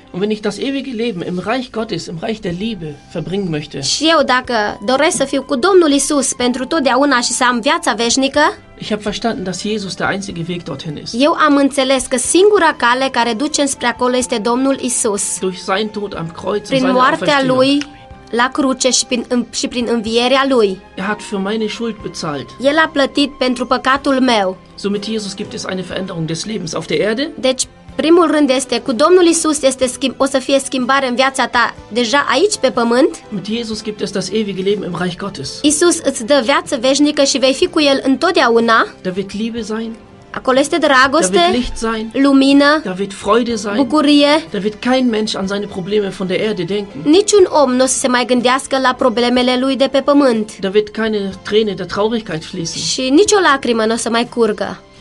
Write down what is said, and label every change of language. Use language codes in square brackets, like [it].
[de] Und wenn ich das ewige Leben im Reich Gottes, im Reich der Liebe verbringen möchte. [ro] Și eu dacă doresc să fiu cu Domnul Iisus pentru totdeauna și să am viața veșnică. [de] Ich habe verstanden, dass Jesus der einzige Weg dorthin ist. [ro] Eu am înțeles că singura cale care duce spre acolo este Domnul Iisus. [de] Durch seinen Tod am Kreuz [ro] prin [de] und seine [ro] moartea lui la cruce și prin învierea lui. [de] Er hat für meine Schuld bezahlt. [ro] El a plătit pentru păcatul meu. [de] So mit Jesus gibt es eine Veränderung des Lebens auf der Erde. [ro] Deci, primul rând este, cu Domnul Iisus o să fie schimbare în viața ta deja aici pe pământ. [de] Mit Jesus gibt es das ewige Leben im Reich Gottes. [ro] Iisus îți dă viață veșnică și vei fi cu El întotdeauna. [de] Da wird Liebe sein. [ro] Acolo este dragoste, [de] da wird Licht sein, [ro] lumină, [de] da wird Freude sein, [ro] bucurie. [de] Da wird kein Mensch an seine Probleme von der Erde denken. [ro] Niciun om nu se mai gândească la problemele lui de pe pământ. [de] Da wird keine Träne der Traurigkeit fließen. [ro] Și nicio lacrimă nu se mai curgă.